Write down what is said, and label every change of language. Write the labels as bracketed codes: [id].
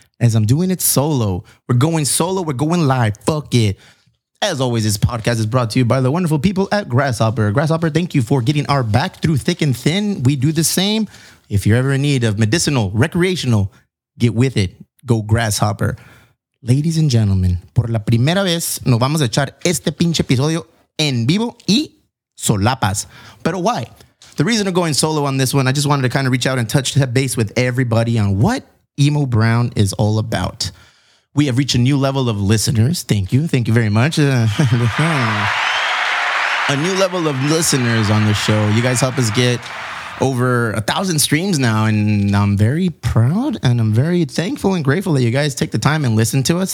[en] As I'm doing it solo. We're going solo. We're going live. Fuck it. As always, this podcast is brought to you by the wonderful people at Grasshopper. Grasshopper, thank you for getting our back through thick and thin. We do the same. If you're ever in need of medicinal, recreational, get with it. Go Grasshopper. Ladies and gentlemen, [es] por la primera vez, nos vamos a echar este pinche episodio en vivo y solapas. [en] But why? The reason of going solo on this one, I just wanted to kind of reach out and touch that base with everybody on what Emo Brown is all about. We have reached a new level of listeners. Thank you. Thank you very much. A new level of listeners on the show. You guys help us get over 1,000 streams now, and I'm very proud and I'm very thankful and grateful that you guys take the time and listen to us.